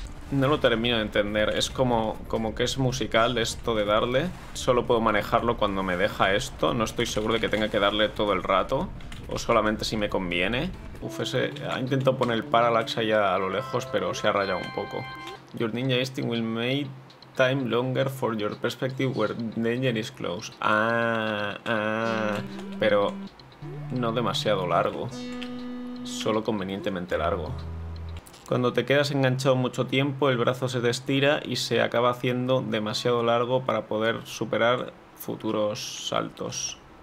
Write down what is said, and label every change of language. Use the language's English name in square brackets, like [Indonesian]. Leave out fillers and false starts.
[Spanish] No lo termino de entender, es como que es musical esto de darle. Solo puedo manejarlo cuando me deja esto, no estoy seguro de que tenga que darle todo el rato. O solamente si me conviene. Uf, ese ha intentado poner el parallax allá a lo lejos, pero se ha rayado un poco. [English] Your ninja instinct will make time longer for your perspective where danger is close. [Spanish] Pero no demasiado largo. Solo convenientemente largo. Cuando te quedas enganchado mucho tiempo, el brazo se te estira y se acaba haciendo demasiado largo para poder superar futuros saltos.